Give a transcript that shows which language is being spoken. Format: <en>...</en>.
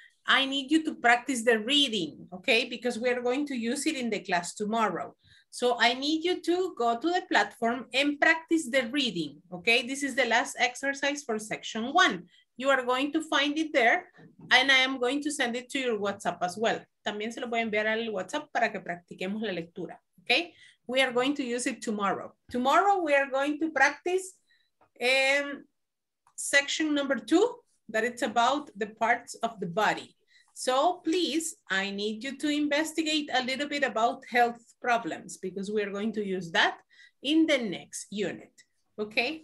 <en>I need you to practice the reading, okay? Because we are going to use it in the class tomorrow. So I need you to go to the platform and practice the reading, okay? This is the last exercise for section one. You are going to find it there and I am going to send it to your WhatsApp as well.</en> <es>También se lo voy a enviar al WhatsApp para que practiquemos la lectura, okay?</es> <en>We are going to use it tomorrow. Tomorrow we are going to practice section number two, that it's about the parts of the body. So please, I need you to investigate a little bit about health problems because we are going to use that in the next unit, okay?</en>